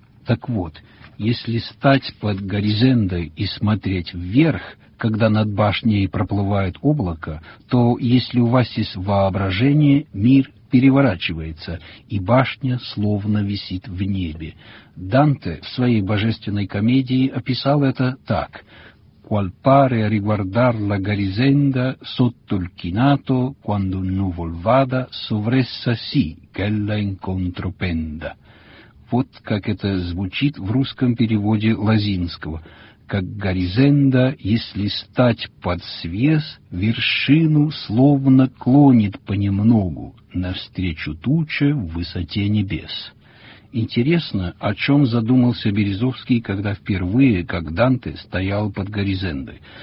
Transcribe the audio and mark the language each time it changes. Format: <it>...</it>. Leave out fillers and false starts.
<ru>Так вот, если стать под горизонтом и смотреть вверх, когда над башней проплывает облако, то если у вас есть воображение, мир переворачивается, и башня словно висит в небе. Данте в своей «Божественной комедии» описал это так.</ru> <it>qual pare a riguardar la garisenda sotto il chinato quando un nuvol vada sovressa sì ch'ella incontro penda.</it> <ru>Вот как это звучит в русском переводе Лозинского. Как горизенда, если стать под свес, вершину словно клонит понемногу навстречу туче в высоте небес. Интересно, о чем задумался Березовский, когда впервые, как Данте, стоял под горизендой.</ru>